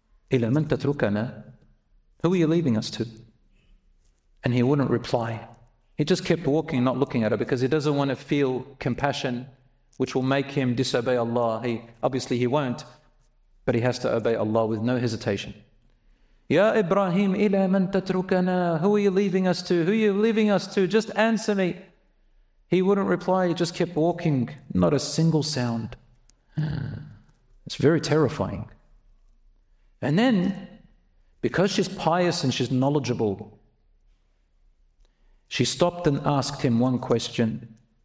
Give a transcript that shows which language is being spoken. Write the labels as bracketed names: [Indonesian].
[Arabic] إِلَى مَنْ تَتْرُكَنَا. [English] Who are you leaving us to? And he wouldn't reply. He just kept walking, not looking at her, because he doesn't want to feel compassion, which will make him disobey Allah. He won't, but he has to obey Allah with no hesitation. [Arabic] Ya Ibrahim, إِلَى مَنْ تَتْرُكَنَا. [English] Who are you leaving us to? Who are you leaving us to? Just answer me. He wouldn't reply, he just kept walking, not a single sound. It's very terrifying. And then Because she's pious and she's knowledgeable, she stopped and asked him one question.